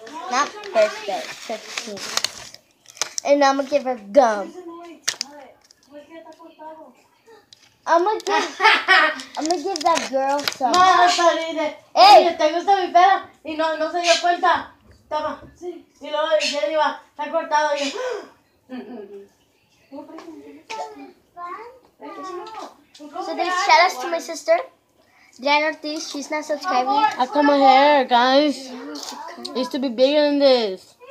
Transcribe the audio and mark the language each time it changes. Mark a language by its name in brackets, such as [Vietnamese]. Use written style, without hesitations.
[English] Not birthday, 15. And I'm gonna give her gum. I'm gonna give that girl some. Mama, hey! [Spanish] Te gusta mi pera? Y no se dio cuenta. Toma. Y luego dice, está cortado. Y yo, ¿qué está pasando? [English] So they shout out to my sister, Diana Ortiz. She's not subscribing. I cut my hair, guys. It used to be bigger than this.